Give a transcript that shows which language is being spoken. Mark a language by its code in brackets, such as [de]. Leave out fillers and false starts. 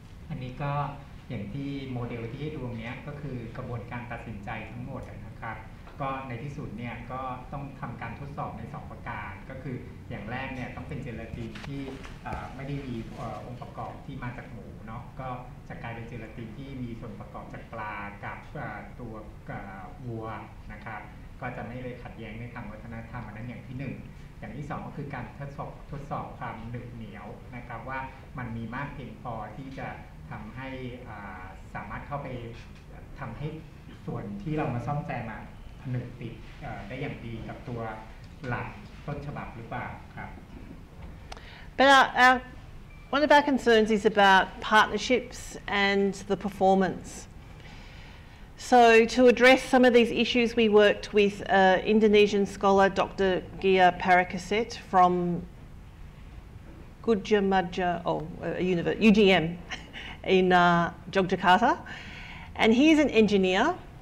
[en] And this is the model that you have seen, which is the decision making process. [th] ก็ในที่สุดเนี่ยก็ต้องทำการทดสอบใน2ประการก็คืออย่างแรกเนี่ยต้องเป็นเจลาตินที่ไม่ได้มีองค์ประกอบที่มาจากหมูเนาะก็จะกลายเป็นเจลาตินที่มีส่วนประกอบจากปลากับตัว วัวนะครับก็จะไม่เลยขัดแย้งในทางวัฒนธรรมอันนั้นอย่างที่1อย่างที่2ก็คือการทดสอบความหนึบเหนียวนะครับว่ามันมีมากเพียงพอที่จะทำให้สามารถเข้าไปทำให้ส่วนที่เรามาซ่อมแซมมาผนึกติดได้อย่างดีกับตัวหลักต้นฉบับหรือเปล่าครับ [en] But one of our concerns is about partnerships and the performance. So to address some of these issues, we worked with an Indonesian scholar, Dr. Gia Parakaset from UGM in Yogyakarta, and he is an engineer.